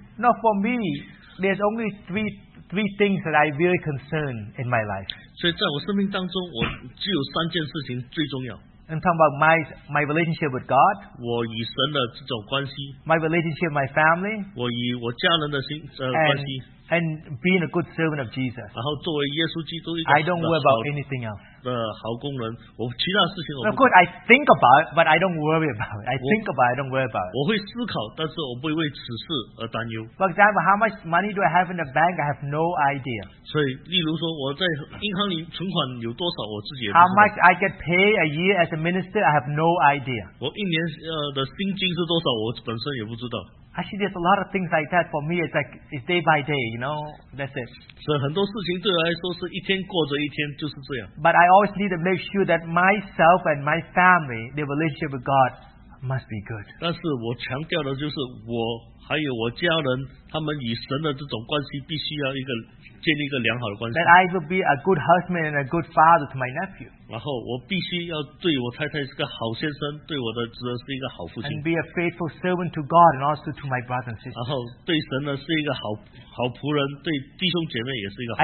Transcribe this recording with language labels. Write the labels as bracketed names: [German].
[English] Now for me, there's only three things that I really concern in my life. [Chinese] 所以在我生命当中，我只有三件事情最重要。 [English] I'm talking about my relationship with God. [Chinese] 我与神的这种关系。 [English] My relationship with my family. [Chinese] 我与我家人的关系。 [English] And being a good servant of Jesus. [Chinese] 然后作为耶稣基督一个好的, [English] I don't worry about anything else. [Chinese] 的好工人, 我其他事情我不, [English] of course, I think about it, but I don't worry about it. For example, how much money do I have in the bank? I have no idea. [Chinese] 所以例如说, [English] how much I get paid a year as a minister? I have no idea. [Chinese] 我一年的薪金是多少, [English] actually, there's a lot of things like that for me. It's like it's day by day, you know. That's it. [Chinese] 所以很多事情对我来说是一天过着一天，就是这样。 [English] But I always need to make sure that myself and my family, the relationship with God, must be good. [Chinese] 但是我强调的就是我还有我家人，他们与神的这种关系必须要建立一个良好的关系。 [English] That I will be a good husband and a good father to my nephew. [Chinese] 然后我必须要对我太太是个好先生，对我的侄儿是一个好父亲。 [English] And be a faithful servant to God and also to my brothers and sisters. [Chinese] 然后对神呢是一个好仆人，对弟兄姐妹也是一个好仆人。